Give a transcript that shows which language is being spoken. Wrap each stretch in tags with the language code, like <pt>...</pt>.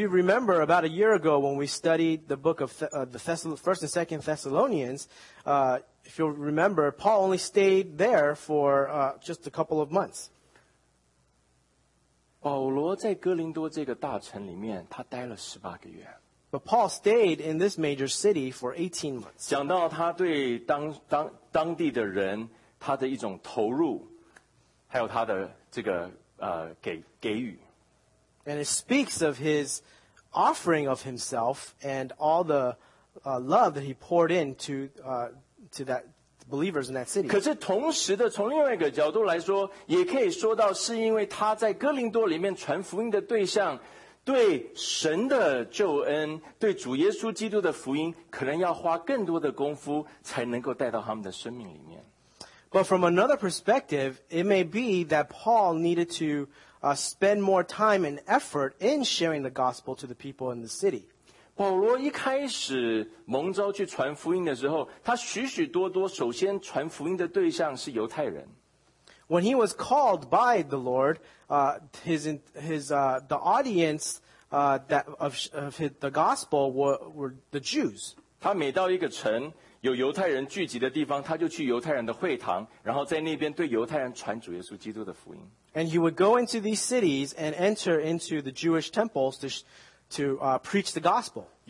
<en>you remember about a year ago when we studied the book of the First and Second Thessalonians, if you remember, Paul only stayed there for just a couple of months.</en> <zh>保罗在哥林多这个大城里面，他待了十八个月。</zh> <en>But Paul stayed in this major city for 18 months.</en> <zh>讲到他对当地的人, 他的一种投入, 还有他的这个, 给予。</zh> <en>And it speaks of his offering of himself and all the love that he poured into to that believers in that city.</en> <zh>可是同时的, 从另外一个角度来说, 也可以说到是因为他在哥林多里面传福音的对象, 对神的救恩, 对主耶稣基督的福音, 可能要花更多的功夫, 才能够带到他们的生命里面。</zh> <en>But from another perspective, it may be that Paul needed to spend more time and effort in sharing the gospel to the people in the city.</en> <zh>保罗一开始蒙召去传福音的时候, 他许许多多首先传福音的对象是犹太人。</zh> <en>When he was called by the Lord, the audience the gospel were the Jews.</en> <zh>他每到一个城有犹太人聚集的地方, 他就去犹太人的会堂, 然后在那边对犹太人传主耶稣基督的福音。</zh> <en>And he would go into these cities and enter into the Jewish temples to preach the gospel.</en>